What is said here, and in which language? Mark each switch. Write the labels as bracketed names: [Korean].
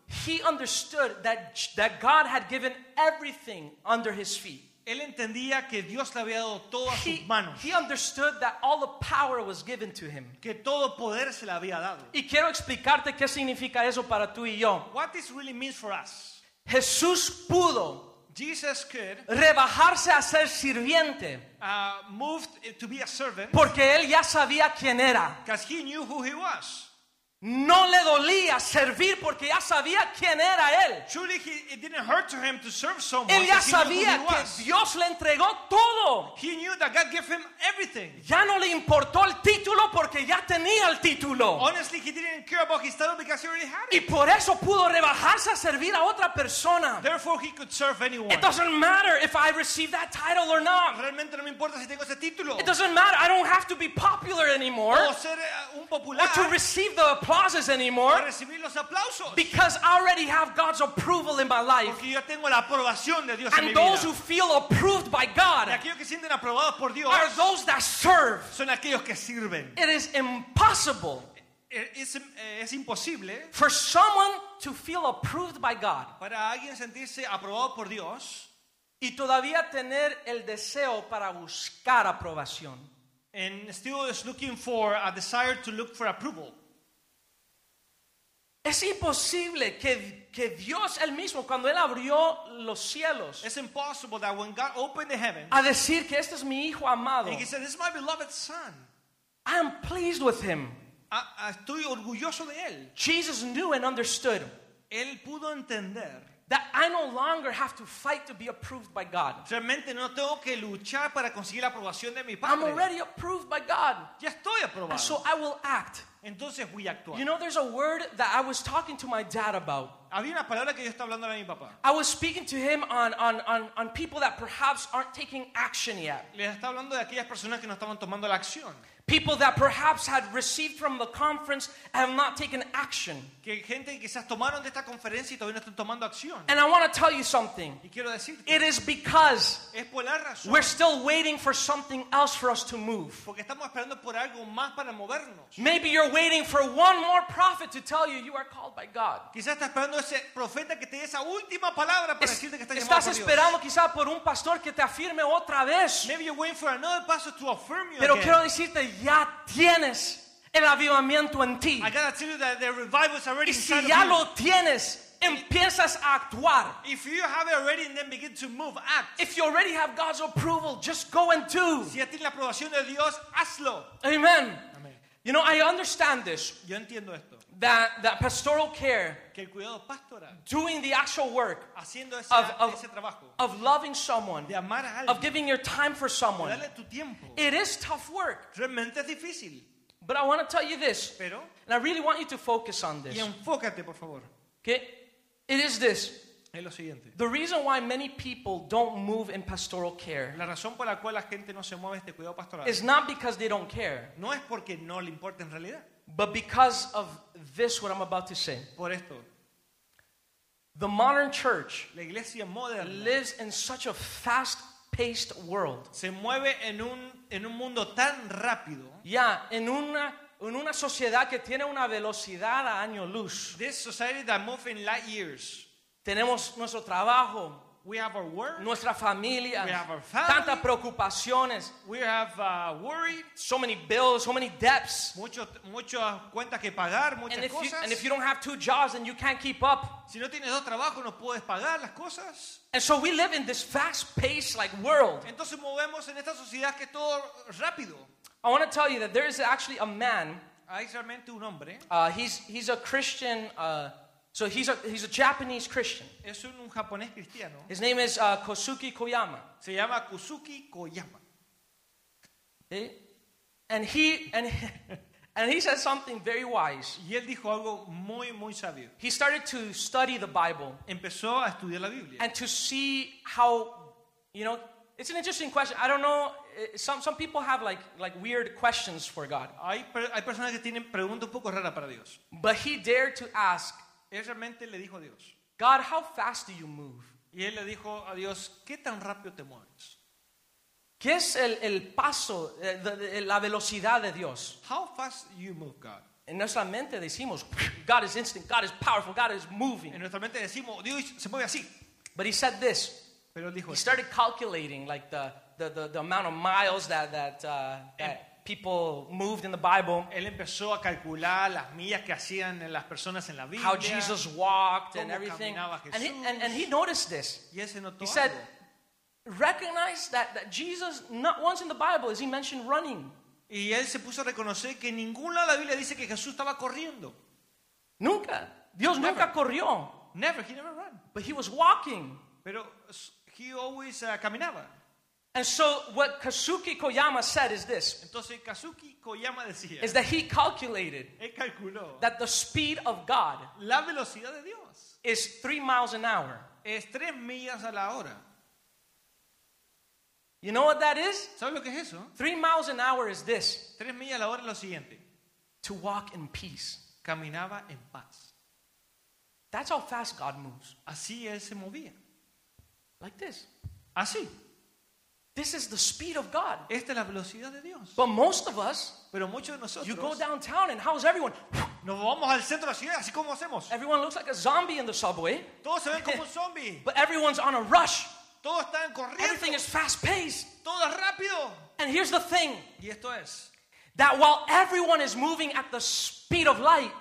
[English] He understood that God had given everything under his feet. [Spanish] Él entendía que Dios le había dado todo a sus manos. [English] He understood that all the power was given to him. [Spanish] Que todo poder se le había dado. Y quiero explicarte qué significa eso para tú y yo. [English] What this really means for us. [Spanish] Jesús pudo. [English] Jesus could. [Spanish] Rebajarse a ser sirviente. [English] Moved to be a servant. [Spanish] Porque él ya sabía quién era. [English] Because he knew who he was. [Spanish] No le dolía servir porque ya sabía quién era él. [English] Truly, it didn't hurt to him to serve someone. [Spanish] Él ya sabía que Dios le entregó todo. [English] He knew that God gave him everything. [Spanish] Ya no le importó el título porque ya tenía el título. [English] Honestly, he didn't care about his title because he already had it. [Spanish] Y por eso pudo rebajarse a servir a otra persona. [English] Therefore, he could serve anyone. It doesn't matter if I receive that title or not. [Spanish] Realmente no me importa si tengo ese título. [English] It doesn't matter. I don't have to be popular anymore. [Spanish] O ser un popular. [English] Or to receive the applauses anymore, [Spanish] para recibir los aplausos. [English] Because I already have God's approval in my life. [Spanish] Porque yo tengo la aprobación de Dios en mi vida. [English] And those who feel approved by God, [Spanish] y aquellos que sienten aprobados por Dios, [English] are those that serve. [Spanish] Son aquellos que sirven. [English] It is impossible. [Spanish] Es imposible. [English] For someone to feel approved by God, [Spanish] para alguien sentirse aprobado por Dios, y todavía tener el deseo para buscar aprobación. [English] And still is looking for a desire to look for approval. [Spanish] Es imposible que Dios el mismo cuando él abrió los cielos. [English] It's impossible that when God opened the heavens. [Spanish] A decir que este es mi hijo amado. [English] And he said, "This is my beloved son." I am pleased with him. [Spanish] Estoy orgulloso de él. [English] Jesus knew and understood. [Spanish] Él pudo entender. [English] That I no longer have to fight to be approved by God. [Spanish] Realmente no tengo que luchar para conseguir la aprobación de mi padre. [English] I'm already approved by God. [Spanish] Ya estoy aprobado. [English] And so I will act. [Spanish] Entonces voy a actuar. [English] You know, there's a word that I was talking to my dad about. [Spanish] Había una palabra que yo estaba hablando a mi papá. [English] I was speaking to him on people that perhaps aren't taking action yet. [Spanish] Les estaba hablando de aquellas personas que no estaban tomando la acción. [English] People that perhaps had received from the conference and have not taken action. [Spanish] Que gente quizás tomaron de esta conferencia y todavía no están tomando acción. [English] And I want to tell you something. [Spanish] Y quiero decirte. [English] It is because [Spanish] es por la razón. [English] We're still waiting for something else for us to move. [Spanish] Porque estamos esperando por algo más para movernos. [English] Maybe you're waiting for one more prophet to tell you you are called by God. [Spanish] Quizás estás esperando ese profeta que te dé esa última palabra para decirte que estás llamado por Dios. Estás esperando quizás por un pastor que te afirme otra vez. [English] Maybe you're waiting for another pastor to affirm you. [Spanish] Pero [English] again. [Spanish] Quiero decirte. Ya tienes el avivamiento en ti. [English] I gotta tell you that the revival is already inside of you. [Spanish] Y si ya lo tienes, empiezas a actuar. [English] If you have it already, then begin to move. Act. If you already have God's approval, just go and do. [Spanish] Si ya tienes la aprobación de Dios, hazlo. [English] Amen. You know, I understand this. [Spanish] Yo entiendo esto. [English] That pastoral care, [Spanish] que el cuidado pastoral, [English] doing the actual work [Spanish] ese trabajo, [English] of loving someone, [Spanish] de amar a alguien, [English] of giving your time for someone, [Spanish] darle tu tiempo, [English] it is tough work. [Spanish] Realmente es difícil. [English] But I want to tell you this, [Spanish] pero, [English] and I really want you to focus on this. [Spanish] Y enfócate, por favor. [English] Okay? It is this. [Spanish] Es lo siguiente. [English] The reason why many people don't move in pastoral care, [Spanish] la razón por la cual la gente no se mueve este cuidado pastoral, [English] is not because they don't care, [Spanish] no es porque no le importa en realidad, [English] but because of this, what I'm about to say. [Spanish] Por esto, [English] the modern church, [Spanish] la iglesia moderna, [English] lives in such a fast-paced world. [Spanish] Se mueve en un mundo tan rápido. Yeah, en una sociedad que tiene una velocidad a año luz. [English] This society that moves in light years. [Spanish] Tenemos nuestro trabajo, [English] we have our work, [Spanish] nuestra familia, [English] we have our family, [Spanish] tantas preocupaciones, [English] we have worry, so many bills, so many debts, [Spanish] muchas cuentas que pagar, muchas [English] and if [Spanish] cosas. [English] And if you don't have two jobs, then you can't keep up. [Spanish] Si no tienes dos trabajos, no puedes pagar las cosas. [English] And so we live in this fast-paced like world. [Spanish] Entonces movemos en esta sociedad que todo rápido. [English] I want to tell you that there is actually a man. [Spanish] Hay realmente un hombre. [English] He's a Christian. So he's a Japanese Christian. [Spanish] Es un japonés cristiano. [English] His name is Kosuke Koyama. [Spanish] Se llama Kosuke Koyama. [English] Okay? And he said something very wise. [Spanish] Y él dijo algo muy muy sabio. [English] He started to study the Bible. [Spanish] Empezó a estudiar la Biblia. [English] And to see how, you know, it's an interesting question. I don't know. Some people have like weird questions for God. [Spanish] Hay personas que tienen preguntas un poco raras para Dios. [English] But he dared to ask. [Spanish] Él realmente le dijo a Dios, [English] God, how fast do you move? [Spanish] Y él le dijo a Dios, ¿qué tan rápido te mueves? ¿Qué es el paso, la velocidad de Dios? [English] How fast you move, God? [Spanish] En nuestra mente decimos, [English] God is instant, God is powerful, God is moving. [Spanish] En nuestra mente decimos, Dios se mueve así. [English] But he said this. [Spanish] Pero él dijo he esto. [English] Started calculating like the amount of miles that people moved in the Bible. [Spanish] Él empezó a calcular las millas que hacían las personas en la Biblia. [English] How Jesus walked and everything. [Spanish] Cómo caminaba Jesús. [English] And he noticed this. [Spanish] Y ese notó [English] he [Spanish] algo. [English] Said, recognize that Jesus, not once in the Bible is he mentioned running. [Spanish] Y él se puso a reconocer que ningún lado de la Biblia dice que Jesús estaba corriendo. Nunca. Dios [English] never. [Spanish] Nunca corrió. [English] Never. He never ran. But he was walking. [Spanish] Pero [English] he always [Spanish] caminaba. [English] And so what Kosuke Koyama said is this. [Spanish] Entonces, Kosuke Koyama decía, [English] is that he calculated [Spanish] calculó, [English] that the speed of God [Spanish] la velocidad de Dios, [English] is 3 miles an hour. [Spanish] Es 3 millas a la hora. [English] You know what that is? [Spanish] ¿Sabes lo que es eso? [English] 3 miles an hour is this. [Spanish] 3 millas a la hora es lo siguiente. [English] To walk in peace. [Spanish] Caminaba en paz. [English] That's how fast God moves. [Spanish] Así él se movía. [English] Like this. [Spanish] Así. [English] This is the speed of God. [Spanish] Esta es la velocidad de Dios. [English] But most of us, [Spanish] pero muchos de nosotros, [English] you go downtown and how's everyone? [Spanish] Nos vamos al centro de la ciudad, así como hacemos. [English] Everyone looks like a zombie in the subway. [Spanish] Todos se ven como un zombie. [English] But everyone's on a rush. [Spanish] Todos están corriendo. [English] Everything is fast-paced. [Spanish] Todo es rápido. [English] And here's the thing. [Spanish] Y esto es. [English] That while everyone is moving at the speed of light,